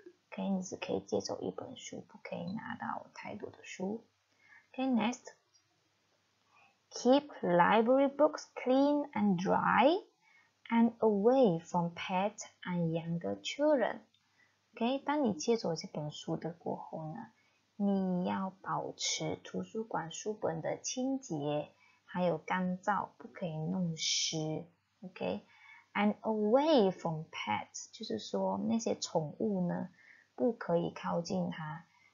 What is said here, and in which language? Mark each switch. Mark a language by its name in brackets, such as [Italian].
[Chinese] Okay, 你只可以借走一本书, 不可以拿到太多的书. [English] Okay, next. Keep library books clean and dry and away from pets and younger children. [Chinese] Okay, 当你借走这本书的过后呢, 你要保持图书馆书本的清洁还有干燥，不可以弄湿。 Okay, [English] and away from pets, [Chinese] 就是说那些宠物呢，不可以靠近它。